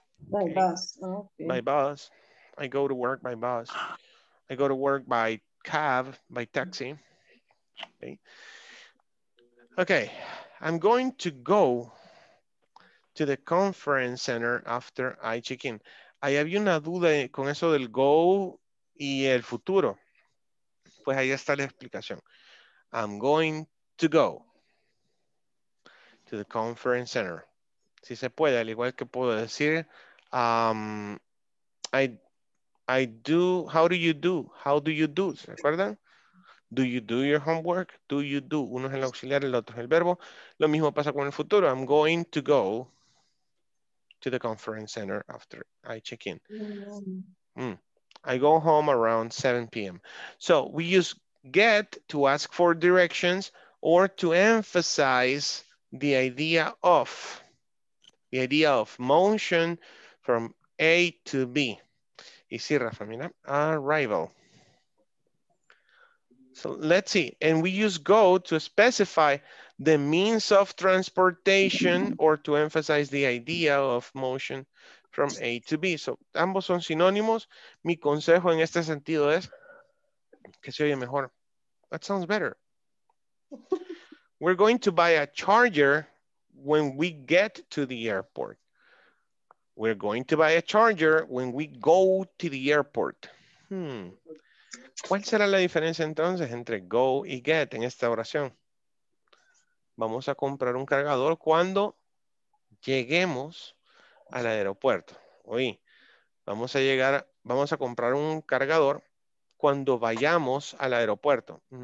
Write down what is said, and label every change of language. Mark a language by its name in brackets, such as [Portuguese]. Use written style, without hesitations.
[English] By bus. Okay. By bus. I go to work by bus. I go to work by cab, by taxi. Okay. Okay. I'm going to go to the conference center after I check in. [Spanish] Ahí había una duda con eso del go y el futuro. Pues ahí está la explicación. [English] I'm going to go to the conference center. [Spanish] Si se puede, al igual que puedo decir, [English] How do you do? [Spanish] ¿Se acuerdan? [English] Do you do your homework? Do you do? [Spanish] Uno es el auxiliar, el otro es el verbo. Lo mismo pasa con el futuro. [English] I'm going to go to the conference center after I check in. I go home around 7 p.m. So we use get to ask for directions or to emphasize the idea of. The idea of motion from A to B. [Spanish] Y sí, Rafa, mira, [English] arrival. So let's see. And we use go to specify the means of transportation or to emphasize the idea of motion from A to B. [Spanish] So ambos son sinónimos. Mi consejo en este sentido es que se oye mejor. [English] That sounds better. We're going to buy a charger when we get to the airport. We're going to buy a charger when we go to the airport. Hmm. [Spanish] ¿Cuál será la diferencia entonces entre go y get en esta oración? Vamos a comprar un cargador cuando lleguemos al aeropuerto. Oye, vamos a llegar, vamos a comprar un cargador cuando vayamos al aeropuerto.